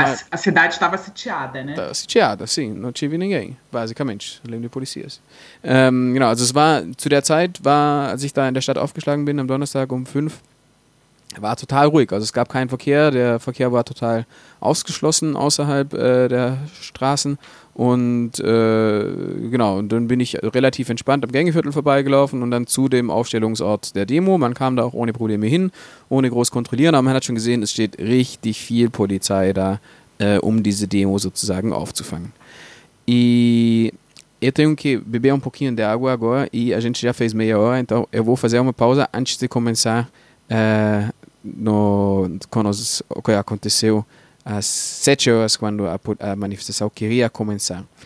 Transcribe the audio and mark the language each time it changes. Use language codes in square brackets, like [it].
[pt] A cidade estava sitiada, né? Estava sitiada, sim. Não tive ninguém, basicamente, além de policiais. [de] Genau, also es war, zu der Zeit war, als ich da in der Stadt aufgeschlagen bin, am Donnerstag um 5, war total ruhig. Also es gab keinen Verkehr, der Verkehr war total ausgeschlossen außerhalb der Straßen. Und genau, und dann bin ich relativ entspannt am Gängeviertel vorbeigelaufen und dann zu dem Aufstellungsort der Demo. Man kam da auch ohne Probleme hin, ohne groß kontrollieren, aber man hat schon gesehen, es steht richtig viel Polizei da, um diese Demo sozusagen aufzufangen. [pt] Eu tenho que beber um pouquinho de água agora e a gente já fez meia hora, então eu vou fazer uma pausa antes de começar o que aconteceu às 7 horas, quando a manifestação queria começar.